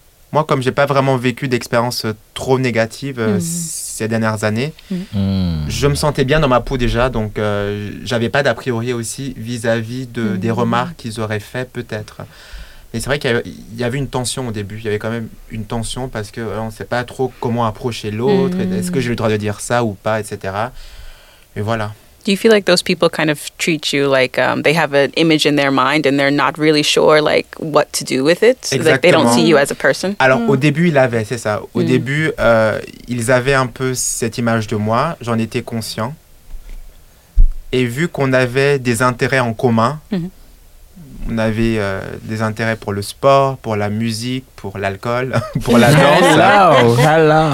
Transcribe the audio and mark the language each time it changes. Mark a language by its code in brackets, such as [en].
[fr] Moi, comme j'ai pas vraiment vécu d'expérience trop négative ces dernières années, je me sentais bien dans ma peau déjà, donc j'avais pas d'a priori aussi vis-à-vis des remarques qu'ils auraient fait peut-être. Mais c'est vrai qu'il y avait une tension au début. Il y avait quand même une tension parce qu'on ne sait pas trop comment approcher l'autre. Est-ce que j'ai le droit de dire ça ou pas, etc. Et voilà. [en] Do you feel like those people kind of treat you like they have an image in their mind and they're not really sure like what to do with it? [fr] Exactement. [en] Like they don't see you as a person? [fr] Alors au début, ils l'avaient, c'est ça. Au début, ils avaient un peu cette image de moi. J'en étais conscient. Et vu qu'on avait des intérêts en commun, on avait des intérêts pour le sport, pour la musique, pour l'alcool, pour la danse.